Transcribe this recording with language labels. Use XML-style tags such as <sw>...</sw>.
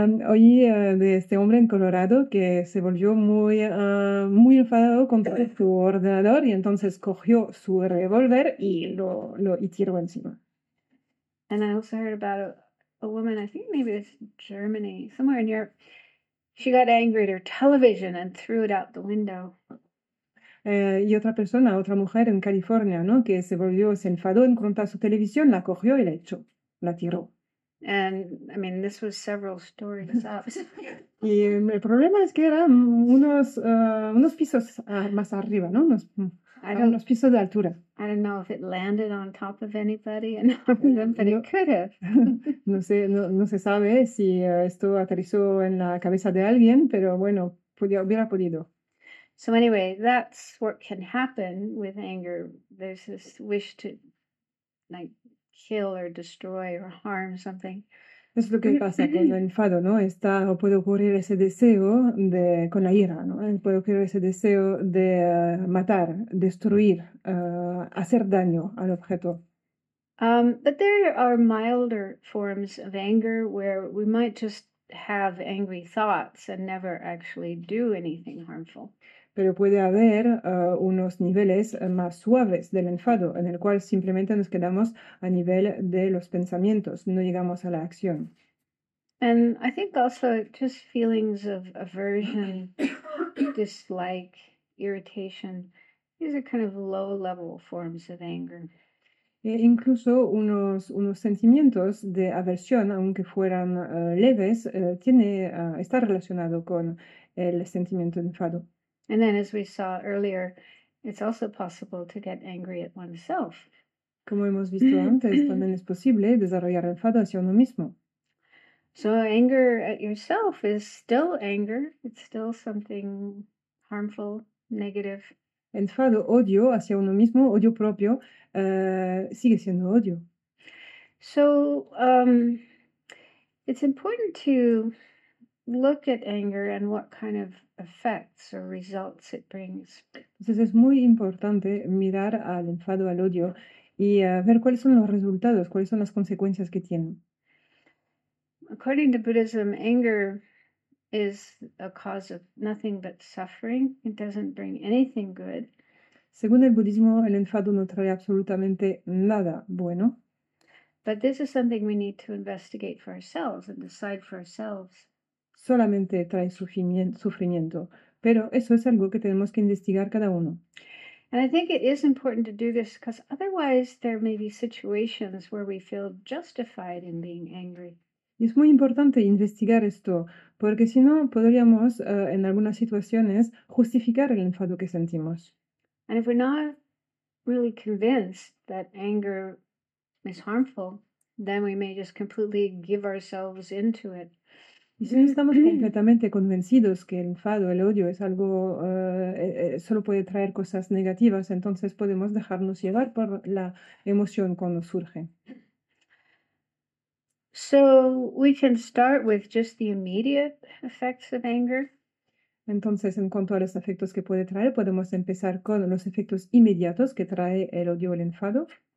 <es>Oí de este hombre en Colorado que se volvió muy enfadado contra su ordenador y entonces cogió su revólver y lo tiró encima.</es> <en>And I also heard about a woman, I think maybe it's Germany, somewhere in Europe. She got angry at her television and threw it out the window.</en> <es>Y otra persona, otra mujer en California, ¿no? Que se enfadó en cuanto a su televisión, la cogió y la echó, la tiró.</es> <en>And I mean, this was several stories up.</en> <es>Y el problema es que eran unos pisos más arriba, ¿no? Unos pisos de altura.</es> <en>I don't know if it landed on top of anybody and harmed them, but it</en> <es>No,</es> <en>could have.</en> <es>no se sabe si esto aterrizó en la cabeza de alguien, pero bueno, hubiera podido.</es> <en>So anyway, that's what can happen with anger. There's this wish to like kill or destroy or harm something.</en> <es>Es lo que pasa con el enfado, ¿no? Está, o puede ocurrir ese deseo de, con la ira, ¿no? Puede ocurrir ese deseo de matar, destruir, hacer daño al objeto.</es> <en>But there are milder forms of anger where we might just have angry thoughts and never actually do anything harmful.</en> <es>Pero puede haber unos niveles más suaves del enfado, en el cual simplemente nos quedamos a nivel de los pensamientos, no llegamos a la acción.</es> <en>And I think also just feelings of aversion, dislike, irritation, these are kind of low-level forms of anger.</en> <es>E incluso unos sentimientos de aversión, aunque fueran leves, está relacionado con el sentimiento de enfado.</es> <en>And then, as we saw earlier, it's also possible to get angry at oneself.</en> <es>Como hemos visto antes, también es posible desarrollar enfado hacia uno mismo.</es> <en>So anger at yourself is still anger. It's still something harmful, negative.</en> <es>Enfado, odio hacia uno mismo, odio propio, sigue siendo odio.</es> <en>So it's important to look at anger and what kind of effects or results it brings.</en> <es>Entonces es muy importante mirar al enfado, al odio y ver cuáles son los resultados, cuáles son las consecuencias que tienen.</es> <en>According to Buddhism, anger is a cause of nothing but suffering. It doesn't bring anything good.</en> <es>Según el budismo, el enfado no trae absolutamente nada bueno.</es> <en>But this is something we need to investigate for ourselves and decide for ourselves.</en> <es>Solamente trae sufrimiento, pero eso es algo que tenemos que investigar cada uno.</es> <en>And I think it is important to do this because otherwise there may be situations where we feel justified in being angry.</en> <es>Y es muy importante investigar esto, porque si no, podríamos en algunas situaciones justificar el enfado que sentimos.</es> <en>And if we're not really convinced that anger is harmful, then we may just completely give ourselves into it.</en> <es>Y si no estamos completamente convencidos que el enfado, el odio es algo, solo puede traer cosas negativas, entonces podemos dejarnos llevar por la emoción cuando surge.</es> <en>So we can start with just the immediate effects of anger.</en> <es>Entonces, en cuanto a los efectos que puede traer, podemos empezar con los efectos inmediatos que trae el odio o el enfado.</es>